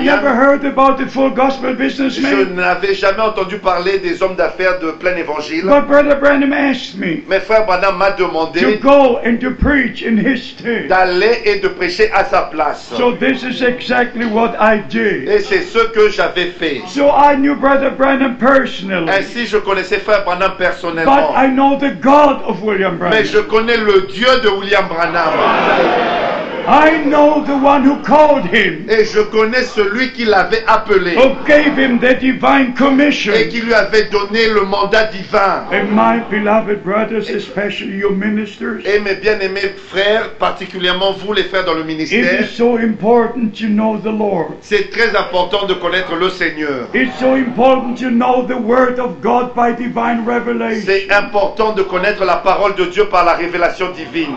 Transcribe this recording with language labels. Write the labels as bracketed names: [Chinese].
[English] I never heard about the full gospel businessman. [French] Je n'avais jamais entendu parler des hommes d'affaires de plein évangile. [English] But Brother Branham asked me. [French] Mais frère Branham m'a demandé [English] to go and to preach in his stead. [French] D'aller et de prêcher à sa place. [English] So this is exactly what I did. [French] Et c'est ce que j'avais fait. [English] So I knew Brother Branham personally. [French] Ainsi je connaissais frère Branham personnellement. [English] But I know the God of William Branham. [French] Mais je connais le Dieu de William Branham. [English] I know the one who called him. [French] Et je connais celui qui l'avait appelé. [English] Who gave him the divine commission. [French] Et qui lui avait donné le mandat divin. [English] And my beloved brothers, especially your ministers. [French] Et mes bien-aimés frères, particulièrement vous les frères dans le ministère. [English] It is so important to know the Lord. [French] C'est très important de connaître le Seigneur. [English] It's so important to know the word of God by divine revelation. [French] C'est important de connaître la parole de Dieu par la révélation divine.